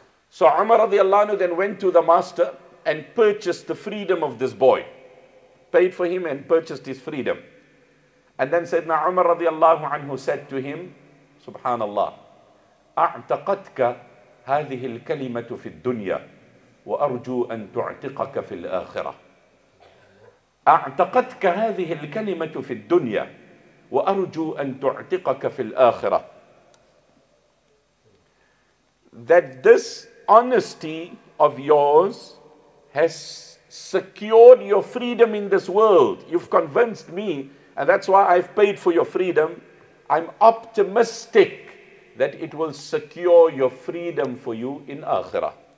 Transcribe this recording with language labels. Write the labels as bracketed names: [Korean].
[English] So Umar radiallahu anhu then went to the master and purchased the freedom of this boy. Paid for him and purchased his freedom. And then Sayyidina Umar radiallahu anhu said to him, Subhanallah, [Arabic] أعتقدك هذه الكلمة في الدنيا وأرجو أن تعتقك في الآخرة. أعتقدك هذه الكلمة في الدنيا وأرجو أن تعتقك في الآخرة. [English] That this honesty of yours has secured your freedom in this world. You've convinced me, and that's why I've paid for your freedom. I'm optimistic that it will secure your freedom for you in Akhirah.